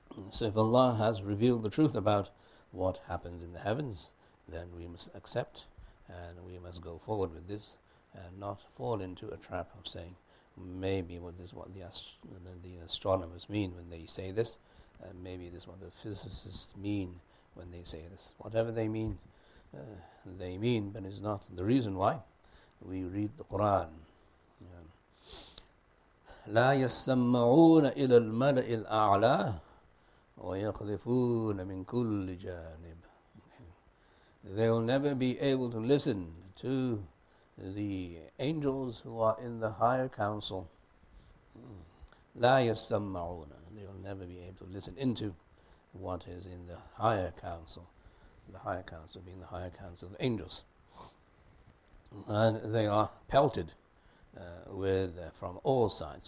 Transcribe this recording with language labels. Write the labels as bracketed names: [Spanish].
[English] So if Allah has revealed the truth about what happens in the heavens, then we must accept and we must go forward with this and not fall into a trap of saying, maybe what this, what the astronomers mean when they say this, and maybe this is what the physicists mean when they say this. Whatever they mean, but it's not the reason why we read the Quran. [Arabic] لا يسمعون إلى الملأ الأعلى ويقذفون من كل جانب. [English] They'll never be able to listen to the angels who are in the higher council. [Arabic] لا يسمعون. [English] They will never be able to listen into what is in the higher council. The higher council being the higher council of angels. And they are pelted with from all sides.